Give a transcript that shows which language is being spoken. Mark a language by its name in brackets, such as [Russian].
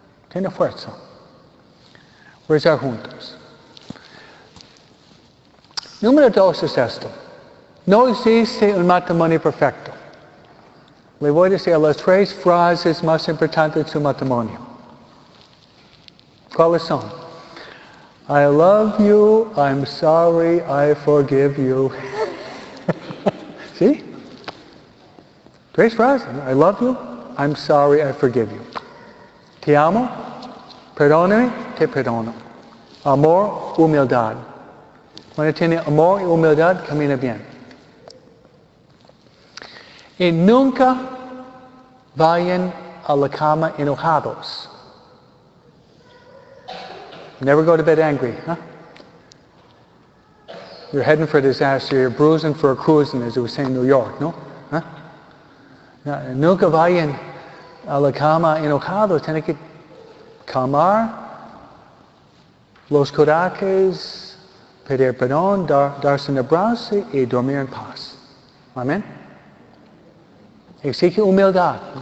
[Spanish] Tiene fuerza. Rezar juntos. Número dos es esto. No existe un matrimonio perfecto. Le voy a decir las tres frases más importantes de su matrimonio. ¿Cuáles son? [English] I love you, I'm sorry, I forgive you. [Spanish] ¿Sí? Tres frases. [English] I love you, I'm sorry, I forgive you. [Spanish] Te amo, perdóname, te perdono. Amor, humildad. Cuando tiene amor y humildad, camina bien. Y nunca vayan a la cama enojados. [English] Never go to bed angry, huh? You're heading for disaster, you're bruising for a cruising, as we say in New York, no? [Spanish] Nunca vayan a la cama enojado, tiene que calmar los corajes, pedir perdón, darse un abrazo y dormir en paz. Amén. Exige humildad.